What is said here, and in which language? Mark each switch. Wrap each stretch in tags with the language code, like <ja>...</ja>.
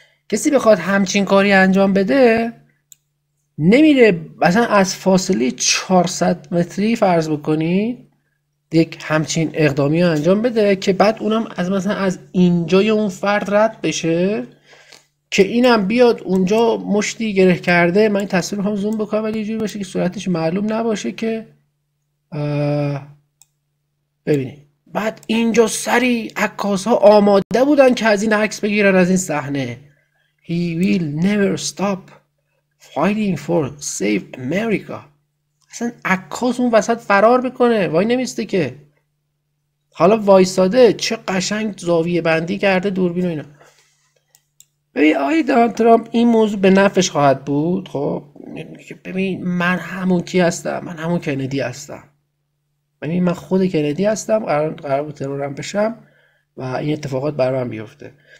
<fa>کسی بخواد همچین کاری انجام بده نمیره مثلا از فاصله 400 متری فرض بکنید یک همچین اقدامی رو انجام بده که بعد اونم از مثلا از اینجای اون فرد رد بشه که اینم بیاد اونجا مشتی گره کرده. من این تصویر رو هم زوم بکنم ولی یه جوری باشه که صورتش معلوم نباشه که ببینید. بعد اینجا سری عکاس ها آماده بودن که از این عکس بگیرن از این صحنه.</fa> <en>He will never stop fighting for save America.</en> <fa>اصلا عکاس اون وسط فرار میکنه وای نمیسته که، حالا وایساده چه قشنگ زاویه بندی کرده دوربین و اینا. ببین آقای دونالد ترامپ این موضوع به نفعش خواهد بود. خب ببین من همون کی هستم، من همون کندی هستم، ببین من خود کندی هستم، قرار بود ترورم بشم و این اتفاقات بر من بیفته.</fa>